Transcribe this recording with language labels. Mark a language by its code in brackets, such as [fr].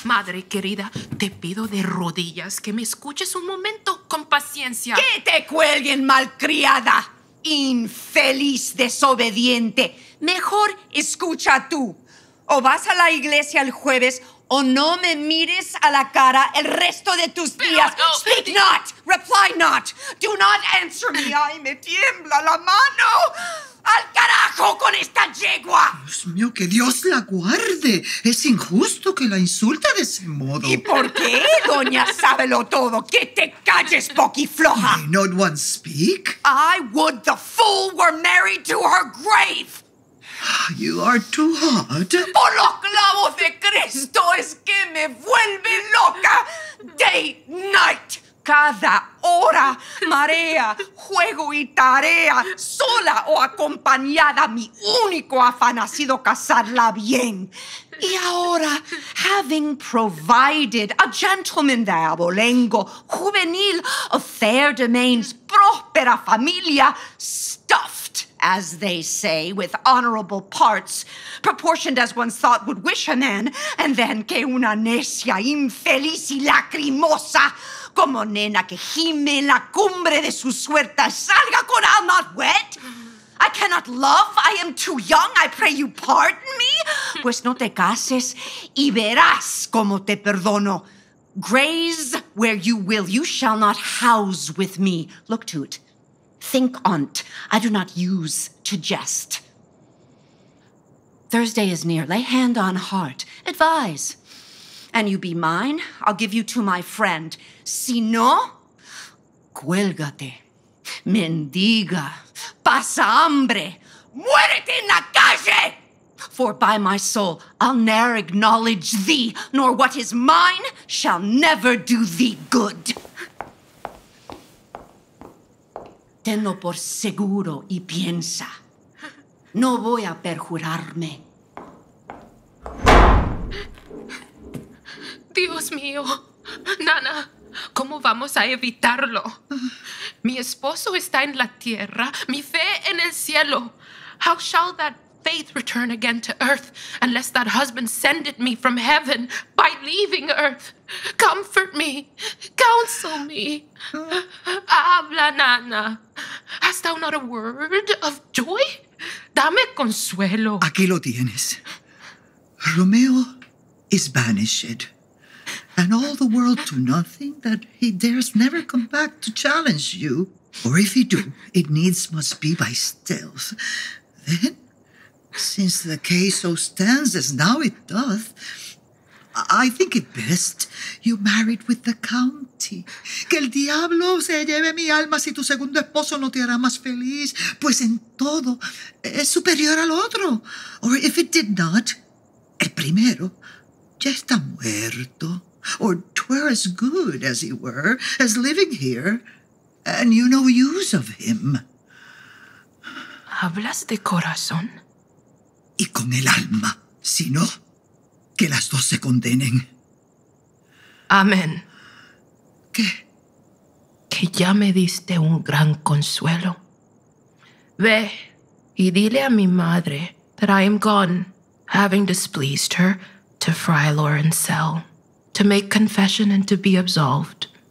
[es] Madre querida, te pido de rodillas que me escuches un momento con paciencia. ¡Que te cuelguen, malcriada! ¡Infeliz desobediente! Mejor escucha tú. O vas a la iglesia el jueves o no me mires a la cara el resto de tus días. No. [en] Speak not, reply not, do not answer me. [es] ¡Ay, me tiembla la mano! ¡Al carajo con esta yegua! Dios mío, que Dios la guarde. Es injusto que la insulte de ese modo. ¿Y por qué, doña sábelo todo? ¡Que te calles, poquifloja! [en] May not one speak? I would the fool were married to her grave. You are too hot. [es] Por los clavos de Cristo, es que me vuelve loca. [en] Day, night, [es] cada hora, marea, juego y tarea, sola o acompañada, mi único afán ha sido casarla bien. Y ahora, [en] having provided a gentleman [es] de abolengo, juvenil, [en] of fair domains, [es] próspera familia, [en] stuffed, as they say, with honorable parts, proportioned as one's thought would wish a man, and then [es] que una necia infeliz y lacrimosa, como nena que gime en la cumbre de su suerte, salga con [en] I'll not wed. I cannot love, I am too young, I pray you pardon me. [es] Pues no te cases y verás como te perdono. [en] Graze where you will, you shall not house with me. Look to it. Think on't. I do not use to jest. Thursday is near. Lay hand on heart. Advise. An you be mine, I'll give you to my friend. [es] Si no, cuélgate. Mendiga. Pasa hambre. Muérete en la calle! [en] For by my soul, I'll ne'er acknowledge thee, nor what is mine shall never do thee good. [es] Tenlo por seguro y piensa. No voy a perjurarme. Dios mío, Nana, ¿cómo vamos a evitarlo? Mi esposo está en la tierra, mi fe en el cielo. [en] How shall that faith return again to earth unless that husband send it me from heaven by leaving earth? Comfort me, counsel me. [es] Habla, [en] Nana. Hast thou not a word of joy? [es] Dame consuelo. Aquí lo tienes. [en] Romeo is banished, and all the world to nothing that he dares never come back to challenge you. Or if he do, it needs must be by stealth. Then, since the case so stands as now it doth, I think it best you married with the county. [es] Que el diablo se lleve mi alma si tu segundo esposo no te hará más feliz, pues en todo es superior al otro. [en] Or if it did not, [es] el primero ya está muerto. [en] or 'twere as good as he were as living here, and you no use of him. [es] ¿Hablas de corazón? Y con el alma, si no, que las dos se condenen. Amén. ¿Qué? Que ya me diste un gran consuelo. Ve y dile a mi madre [en] that I am gone, having displeased her, to Fray Lauren's cell, to make confession and to be absolved.